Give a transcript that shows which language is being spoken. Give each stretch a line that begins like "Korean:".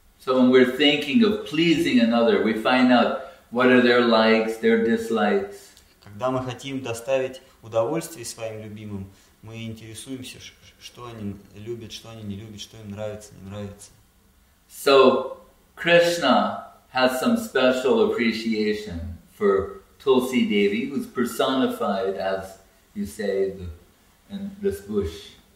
English: So when we're thinking of pleasing another, we find out what are their likes, their dislikes.
Russian: Когда мы хотим доставить удовольствие своим любимым, мы интересуемся, что они любят, что они не любят, что им нравится, не нравится.
English: So Krishna has some special appreciation for Tulsi Devi, who's personified, as you say, in this bush.